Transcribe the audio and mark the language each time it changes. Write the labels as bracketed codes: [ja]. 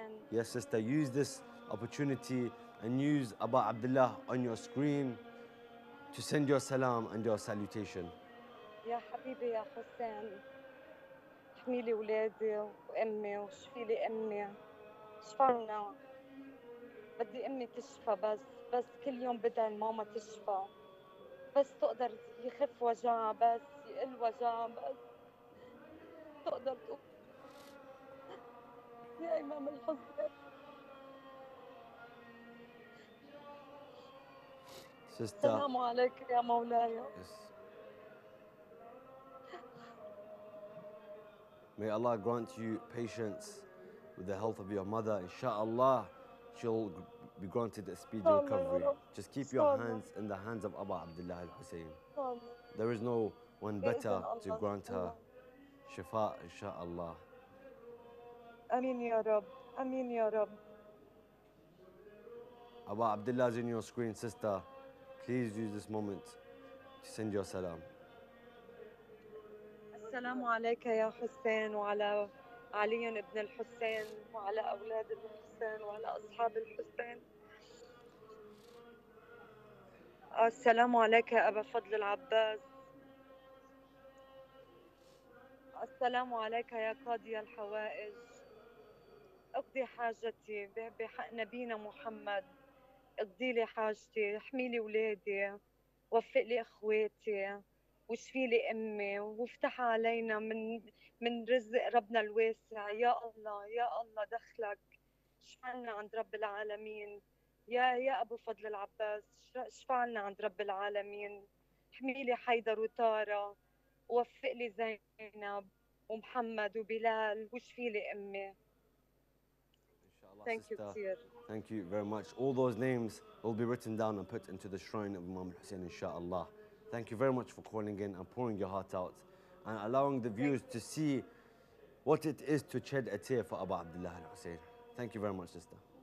[en] Yes, sister, use this opportunity and use Abu Abdullah on your screen to send your salam and your salutation. [ar] Ya Habibi, Ya Hussein. احمي لي ولادي وامي وشفي لي امي شفرنا بدي امي تشفى بس كل يوم بدل ماما تشفى بس تقدر يخف وجع بس يقل وجع بس تقدر تقول يا امام الحزن السلام عليك يا مولاي. [en] May Allah grant you patience with the health of your mother. Inshallah, she'll be granted a speedy recovery. Just keep your hands in the hands of Aba Abdullah al-Hussein. There is no one better to grant her shifa, inshallah. [ar] Ameen, Ya Rab. Ameen, Ya Rab. [en] Aba Abdullah is in your screen, sister. Please use this moment to send your salam. [ar] السلام عليك يا حسين وعلى علي ابن الحسين وعلى أولاد الحسين وعلى أصحاب الحسين. السلام عليك أبا فضل العباس. السلام عليك يا قاضي الحوائج. اقضي حاجتي بحق نبينا محمد. اقضي لي حاجتي. احمي لي ولادي. وفق لي أخواتي. وشفي لي أمي وافتح علينا من رزق ربنا الواسع. يا الله يا الله دخلك شفع لنا عند رب العالمين. يا أبو فضل العباس شفع لنا عند رب العالمين. احمي لي حيدر وطارة. وفق لي زينب ومحمد وبلال وشفي لي أمي. [en] Thank you very much. All those names will be written down and put into the shrine of Imam Hussein, inshallah. Thank you very much for calling in and pouring your heart out and allowing the viewers to see what it is to shed a tear for Aba Abdullah al-Hussein. Thank you very much, sister.